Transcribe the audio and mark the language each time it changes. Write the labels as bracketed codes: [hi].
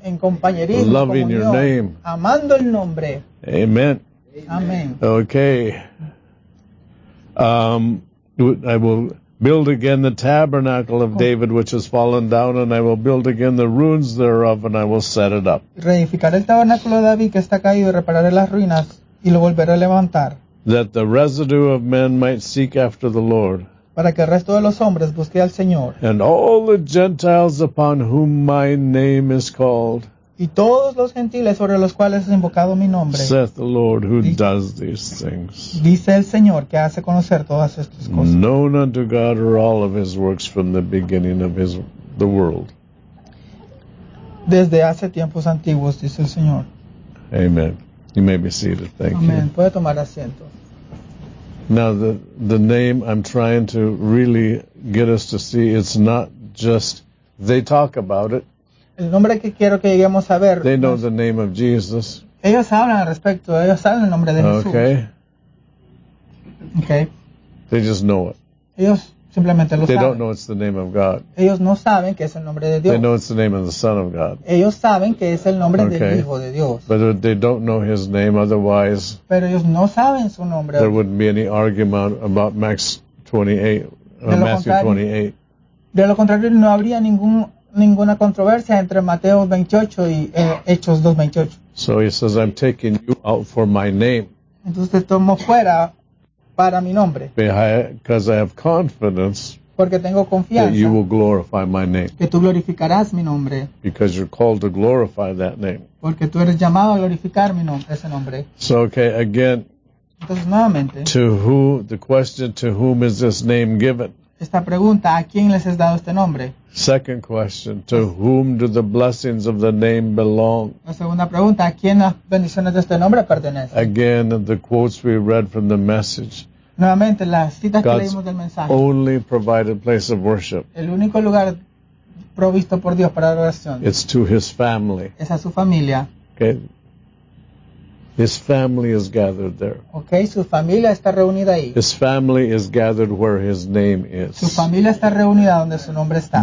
[es] en compañerismo, [en] loving [es] comunión, [en] your name. [es] Amando el nombre. [en] Amen. [es] Amen. [en] Okay. I will build again the tabernacle of David, which has fallen down, and I will build again the ruins thereof, and I will set it up. [es] Reedificaré el tabernáculo de David que está caído, repararé las ruinas y lo volveré a levantar. [en] That the residue of men might seek after the Lord. [es] para que el resto de los hombres busque al Señor. [en] And all the Gentiles upon whom my name is called. [es] Y todos los gentiles sobre los cuales es invocado mi nombre. [en] Saith the Lord who does these things. [es] Dice el Señor que hace conocer todas estas cosas. [en] Known unto God are all of his works from the beginning of his the world. [es] Desde hace tiempos antiguos, dice el Señor. [en] Amen. You may be seated. Thank [es] Amen. [en] You. [es] Amen. Puede tomar asiento. [en] Now the name I'm trying to really get us to see, it's not just, they talk about it. [es] El nombre que quiero que lleguemos a ver. [en] They know the name of Jesus. [es] Ellos hablan al respecto, ellos saben el nombre de Jesús. [en] Okay. [es] Okay. [en] They just know it. [es] Ellos simplemente lo [en] they [es] saben. [en] They don't know it's the name of God. [es] Ellos no saben que es el nombre de Dios. [en] They know it's the name of the Son of God. [es] Ellos saben que es el nombre okay. del Hijo de Dios. [en] But they don't know his name otherwise. [es] Pero ellos no saben su nombre. [en] There wouldn't be any argument about Max 28, or Matthew 28. [es] De lo contrario, no habría ninguna controversia entre Mateo 28 y Hechos 2:28. [en] So he says, I'm taking you out for my name. [es] Entonces tomo fuera para mi nombre. [en] Because I have confidence. [es] Porque tengo confianza. [en] That you will glorify my name. [es] Que tú glorificarás mi nombre. [en] Because you're called to glorify that name. [es] Porque tú eres llamado a glorificar mi nombre, ese nombre. [en] So okay, again. [es] Entonces nuevamente. [en] To who, the question, to whom is this name given? [es] Esta pregunta, ¿a quién les has dado este nombre? [en] Second question, to whom do the blessings of the name belong? [es] La segunda pregunta, ¿a quién las bendiciones de este nombre pertenecen? [en] Again, the quotes we read from the message. [es] Nuevamente, las citas que leímos del mensaje. [en] God's only provided place of worship. [es] El único lugar provisto por Dios para adoración. [en] It's to his family. [es] Es a su familia. [en] Okay. His family is gathered there. [es] Okay, su familia está reunida ahí. [en] His family is gathered where his name is. [es] Su familia está reunida donde su nombre está.